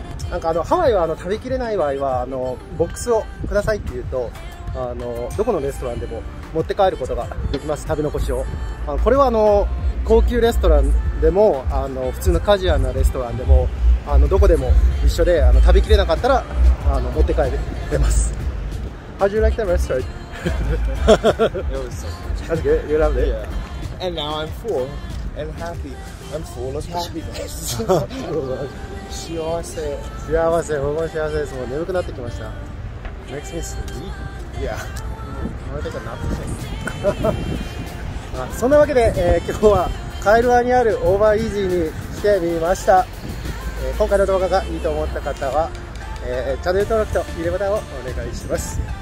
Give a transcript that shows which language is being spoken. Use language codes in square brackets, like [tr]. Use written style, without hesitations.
[ja] なんかあのハワイはあの食べきれない場合はあのボックスをくださいって言うとあのどこのレストランでも持って帰ることができます食べ残しをあのこれはあの高級レストランでもあの普通のカジュアルなレストランでもあのどこでも一緒であの食べきれなかったらあの持って帰れます [en] How'd you like the restaurant? It was so good That's good? You loved it? Yeah And now I'm full and happy I'm full of happiness [ja] 幸せ、僕も幸せです。もう眠くなってきました。 [en] Makes me sleep? Yeah. [ja] 生まれてきたなって。そんなわけで、今日はカイルアにあるオーバーイージーに来てみました、今回の動画がいいと思った方は、チャンネル登録と、いいねボタンをお願いします。